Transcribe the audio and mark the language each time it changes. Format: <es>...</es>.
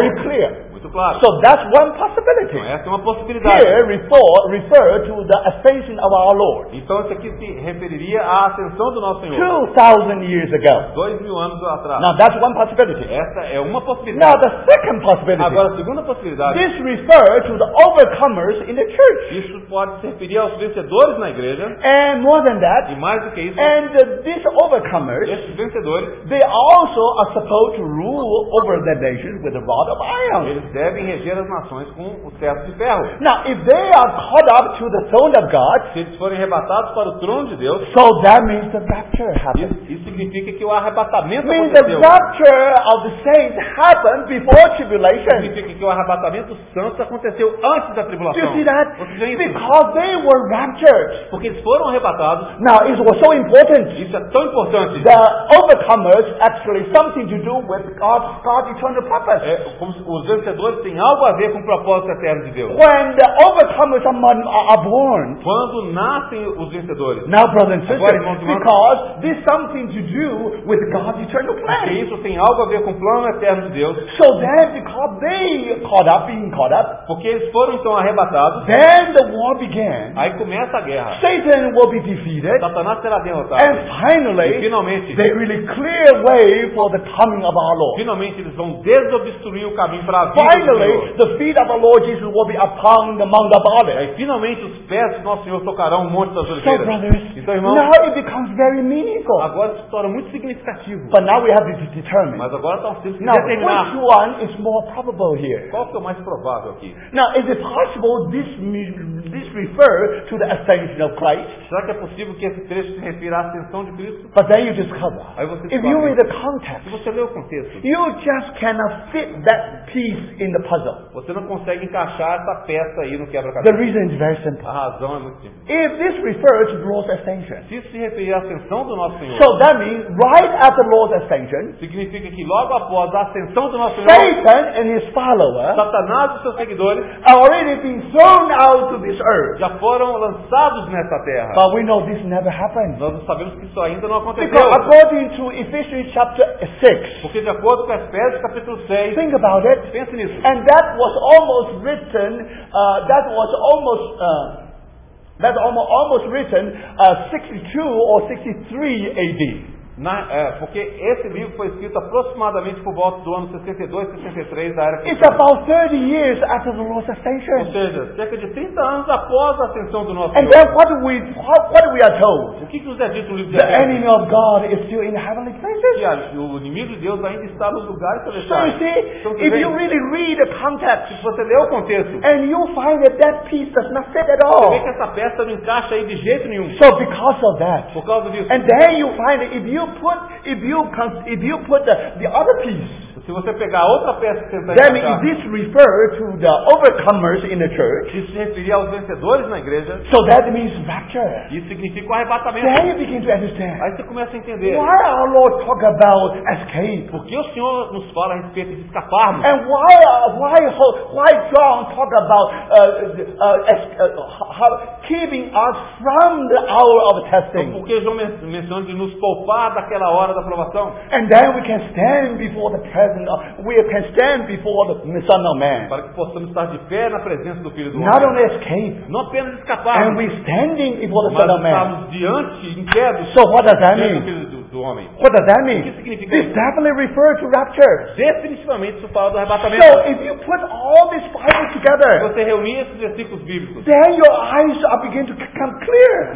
<en>Very clear.</en> <pt>Muito claro.</pt> <en>So that's one possibility.</en> <pt>Então, essa é uma possibilidade.</pt> <en>Here refer to the ascension of our Lord.</en> <pt>Então isso aqui se referiria à ascensão do nosso Senhor.</pt> <en>2,000 years ago.</en> <pt>2,000 anos atrás.</pt> <en>Now that's one possibility.</en> <pt>Essa é uma possibilidade.</pt> <en>Now the second possibility.</en> <pt>Agora a segunda possibilidade.</pt> <en>This refers to the overcoming. In the church.</en> <pt>Isso pode se referir aos vencedores na igreja.</pt> <en>And more than that,</en> <pt>e mais do que isso,</pt> <en>and these overcomers,</en> <pt>esses vencedores,</pt> <en>they also are supposed to rule over the nations with a rod of iron.</en> <pt>Eles devem reger as nações com o cetro de ferro.</pt> <en>Now, if they are caught up to the throne of God,</en> <pt>se eles forem arrebatados para o trono de Deus,</pt> <en>so that means the rapture happens.</en> <pt>Isso significa que o arrebatamento</pt> <en>means</en> <pt>aconteceu.</pt> <en>The rapture of the saints happened before tribulation.</en> <pt>Significa que o arrebatamento dos santos aconteceu antes da tribulação. situação.</pt> <en>Did you see that?</en> <pt>Você viu isso?</pt> <en>Because they were raptured.</en> <pt>Porque eles foram arrebatados.</pt> <en>Now, it was so important.</en> <pt>Isso é tão importante.</pt> <en>The overcomers actually something to do with God's eternal purpose.</en> <pt>É, como os vencedores têm algo a ver com o propósito eterno de Deus.</pt> <en>When the overcomers are born.</en> <pt>Quando nascem os vencedores.</pt> <en>Now, brothers and sisters, because this something to do with God's eternal plan.</en> <pt>Porque isso tem algo a ver com o plano eterno de Deus.</pt> <en>So then, because they caught up, being caught up.</en> <pt>Porque eles foram então arrebatados.</pt> <en>Then the war began.</en> <pt>Aí começa a guerra.</pt> <en>Satan will be defeated.</en> <pt>Satanás será derrotado.</pt> <en>And finally,</en> <pt>e finalmente,</pt> <en>they really clear way for the coming of our Lord.</en> <pt>Finalmente eles vão desobstruir o caminho para a vida.</pt> <en>Finally,</en> <pt>do Senhor.</pt> <en>The feet of our Lord Jesus will be upon the Mount of Olives.</en> <pt>Aí finalmente os pés do nosso Senhor tocarão o Monte das Oliveiras.</pt> <en>So, brothers,</en> <pt>então, irmãos,</pt> <en>now it becomes very meaningful.</en> <pt>Agora se torna muito significativo.</pt> <en>But now we have to determine.</en> <pt>Mas agora nós temos que</pt> <en>now,</en> <pt>determinar.</pt> <en>Which one is more probable here?</en> <pt>Qual que é o mais provável aqui?</pt> <en>Now, is it possible this refer to the ascension of Christ?</en> <pt>Será que é possível que esse trecho se refira à ascensão de Cristo?</pt> <en>But then you discover.</en> <pt>Aí você</pt> <en>if you read the context,</en> <pt>se você lê o contexto,</pt> <en>you just cannot fit that piece in the puzzle.</en> <pt>Você não consegue encaixar essa peça aí no quebra-cabeças.</pt> <en>The reason is very simple.</en> <pt>A razão é muito simples.</pt> <en>If this refers to the Lord's ascension,</en> <pt>se isso se referir à ascensão do nosso Senhor,</pt> <en>so that means right after the Lord's ascension,</en> <pt>significa que logo após a ascensão do nosso</pt> <en>Satan</en> <pt>Senhor,</pt> <en>Satan and his follower,</en> <pt>Satanás e seus seguidores,</pt> <en>have already been thrown out to this earth.</en> <pt>Já foram lançados nessa terra.</pt> <en>But we know this never happened.</en> <pt>Nós sabemos que isso ainda não aconteceu.</pt> <en>Because according to Ephesians chapter 6,</en> <pt>porque de acordo com Efésios capítulo 6,</pt> <en>think about it,</en> <pt>pense nisso.</pt> <en>And that was almost written, that was almost written 62 or 63 AD.</en> <pt>Porque esse livro foi escrito aproximadamente por volta do ano 62, 63 da era.</pt> <en>It's about 30 years after the Lord's ascension.</en> <pt>Ou seja, cerca de 30 anos após a ascensão do nosso</pt> <en>and</en> <pt>Senhor.</pt> <en>And then what we are told?</en> <pt>O que nos é dito no livro de Efésios?</pt> <en>The enemy of God is still in heavenly places.</en> <pt>O inimigo de Deus ainda está nos lugares celestiais.</pt> <en>So you see,</en> <pt>então,</pt> <en>if you really read the context,</en> <pt>se você ler o contexto,</pt> <en>and you find that that piece does not fit at all.</en> <pt>Você vê que essa peça não encaixa aí de jeito nenhum.</pt> <en>So because of that,</en> <pt>por causa disso,</pt> <en>and then you find that if you put the other piece,</en> <pt>se você pegar outra peça que tenta</pt> <en>then</en> <pt>encaixar,</pt> <en>this refer to the overcomers in the church,</en> <pt>isso se referia aos vencedores na igreja,</pt> <en>so that means rapture.</en> <pt>Isso significa o arrebatamento.</pt> <en>Then you begin to understand.</en> <pt>Aí você começa a entender.</pt> <en>Why our Lord talk about escape?</en> <pt>Por que o Senhor nos fala a respeito de escaparmos?</pt> <en>And why John talk about how keeping us from the hour of testing?</en> <pt>Então, por que João menciona de nos poupar daquela hora da provação?</pt> <en>And then we can stand before the presence. We can stand before the Son of Man.</en> <pt>Para que possamos estar de pé na presença do Filho do Homem.</pt> <en>Not only escape,</en> <pt>não apenas escapar.</pt> <en>And we're standing before the Son of Man.</en> <pt>Estamos diante, em pé do,</pt> <en>so what does that mean? What does that mean?</en> <pt>O que significa</pt> <en>this</en> <pt>isso?</pt> <en>Definitely refers to rapture.</en> <pt>Definitivamente isso fala do arrebatamento.</pt> <en>So if you put all this Bible together,</en> <pt>se você reunir esses versículos bíblicos,</pt> <en>then your eyes are begin to come clear.</en>